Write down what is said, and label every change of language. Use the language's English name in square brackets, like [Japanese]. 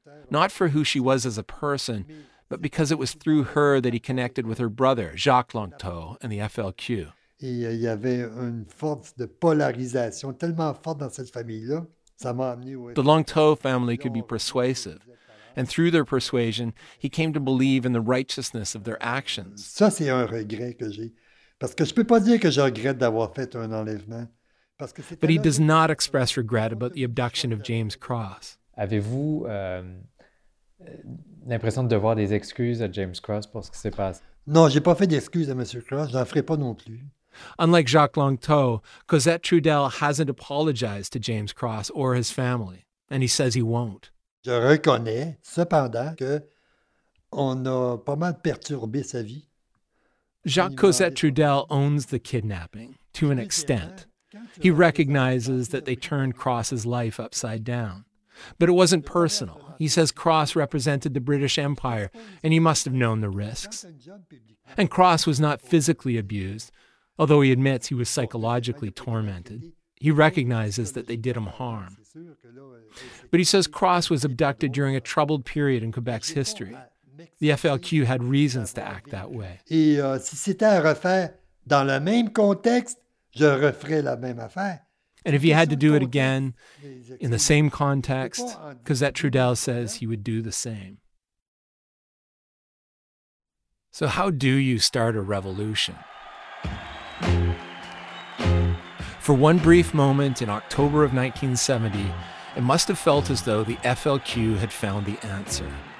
[English] Not for who she was as a person, but because it was through her that he connected with her brother, Jacques Longteau, and the FLQ. [French] Et il y avait une force de polarisation tellement forte dans cette famille-là. Ça m'a amené au... [English] The Long Tho family could be persuasive. And through their persuasion, he came to believe in the righteousness of their actions. [French] Ça, c'est un regret que j'ai. Parce que je peux pas dire que je regrette d'avoir fait un enlèvement. Parce que [English] but he does not express regret about the abduction of James Cross. [French] Avez-vous l'impression de devoir des excuses à James Cross pour ce qui s'est passé? Non, j'ai pas fait d'excuses à M. Cross. J'en ferai pas non plus. [English] Unlike Jacques Long Tho, Cosette Trudel hasn't apologized to James Cross or his family, and he says he won't. [French] Je reconnais, cependant, qu'on a pas mal perturbé sa vie. [English] Jacques Cosette Trudel owns the kidnapping, to an extent. He recognizes that they turned Cross's life upside down. But it wasn't personal. He says Cross represented the British Empire, and he must have known the risks. And Cross was not physically abused, although he admits he was psychologically tormented. He recognizes that they did him harm. But he says Cross was abducted during a troubled period in Quebec's history. The FLQ had reasons to act that way. [French] Et si c'était à refaire dans le même contexte, je referais la même affaire. [English] And if he had to do it again, in the same context, Cosette Trudel says he would do the same. So how do you start a revolution? For one brief moment in October of 1970, it must have felt as though the FLQ had found the answer.